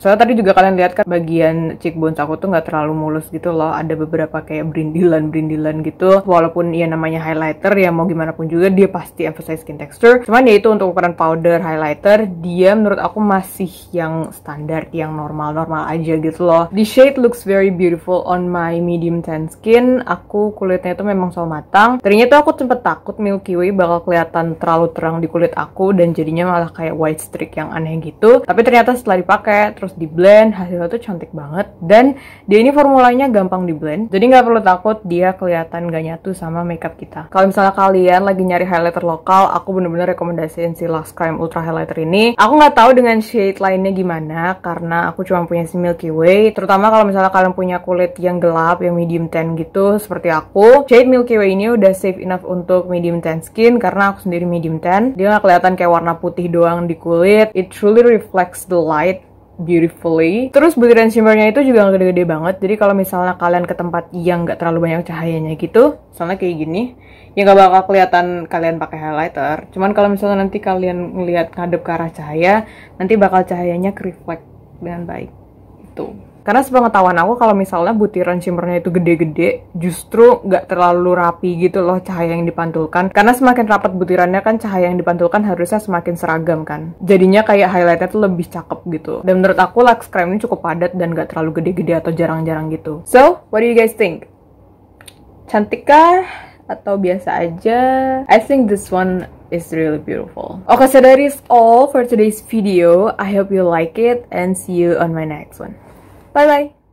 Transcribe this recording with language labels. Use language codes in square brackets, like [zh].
[id] Soalnya tadi juga kalian lihat kan, bagian cheekbones aku tuh nggak terlalu mulus gitu loh. Ada beberapa kayak brindilan-brindilan gitu. Walaupun ya namanya highlighter, ya mau gimana pun juga, dia pasti emphasize skin texture. Cuman ya itu untuk ukuran powder, highlighter, dia menurut aku masih yang standar, yang normal-normal aja gitu loh. [en] The shade looks very beautiful on my medium tan skin. [id] Aku kulitnya tuh memang soal matang. Tadinya tuh aku sempet takut Milky Way bakal kelihatan terlalu terang di kulit aku dan jadinya malah kayak white streak yang aneh gitu. Tapi ternyata setelah dipakai terus di blend, hasilnya tuh cantik banget. Dan dia ini formulanya gampang di blend, jadi gak perlu takut dia kelihatan gak nyatu sama makeup kita. Kalau misalnya kalian lagi nyari highlighter lokal, aku bener-bener rekomendasiin si Lux Crime Ultra Highlighter ini. Aku gak tahu dengan shade lainnya gimana, karena aku cuma punya si Milky Way. Terutama kalau misalnya kalian punya kulit yang gelap, yang medium tan gitu, seperti aku, shade Milky Way ini udah safe enough untuk medium tan skin, karena aku sendiri medium tan. Dia gak kelihatan kayak warna putih doang di kulit. [en] It truly reflects the light beautifully. [id] Terus butir dan shimmernya itu juga gak gede-gede banget, jadi kalau misalnya kalian ke tempat yang gak terlalu banyak cahayanya gitu, misalnya kayak gini, ya gak bakal kelihatan kalian pakai highlighter. Cuman kalau misalnya nanti kalian ngelihat ngadep ke arah cahaya, nanti bakal cahayanya ke-reflect dengan baik. Itu. Karena sepengetahuan aku, kalau misalnya butiran shimmernya itu gede-gede, justru nggak terlalu rapi gitu loh cahaya yang dipantulkan. Karena semakin rapat butirannya kan, cahaya yang dipantulkan harusnya semakin seragam kan. Jadinya kayak highlightnya tuh lebih cakep gitu. Dan menurut aku, Lux Crime ini cukup padat dan nggak terlalu gede-gede atau jarang-jarang gitu. [en] So, what do you guys think? [id] Cantik kah? Atau biasa aja? [en] I think this one is really beautiful. Okay, so that is all for today's video. I hope you like it and see you on my next one. Bye-bye.